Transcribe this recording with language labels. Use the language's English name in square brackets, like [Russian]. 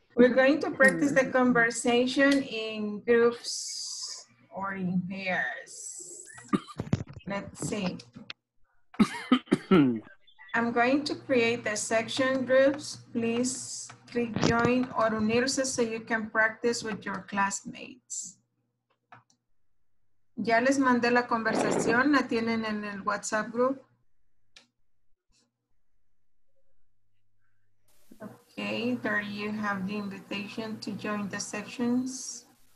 [English] We're going to practice the conversation in groups or in pairs. Let's see. I'm going to create the section groups. Please click join or unirse so you can practice with your classmates. [Spanish] Ya les mandé la conversación, la tienen en el WhatsApp group. [English] Okay, there you have the invitation to join the sections.